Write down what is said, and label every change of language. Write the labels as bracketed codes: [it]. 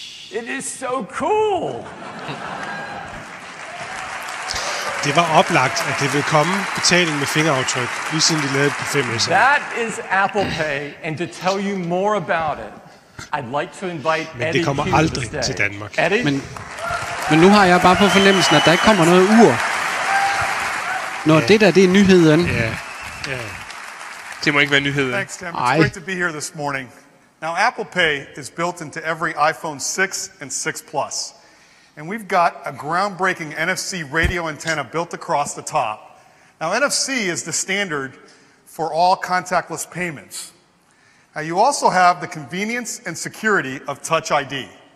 [en] It is so cool. [da] Det var oplagt, at det ville komme betaling med fingeraftryk, lige siden de lavede det på 5S. [en] That is Apple Pay, and to tell you more about it, I'd like to invite [da] Eddie. Men det kommer aldrig til Danmark. [en] Eddie? [da] Men nu har jeg bare på fornemmelsen, at der ikke kommer noget ur. Når yeah. det er nyheden. Ja. Yeah. Yeah. Det må ikke være nyheden. [en] Thanks, Tim. It's great to be here this morning. Now, Apple Pay is built into every iPhone 6 and 6 Plus. And we've got a groundbreaking NFC radio antenna built across the top. Now, NFC is the standard for all contactless payments. Now, you also have the convenience and security of Touch ID.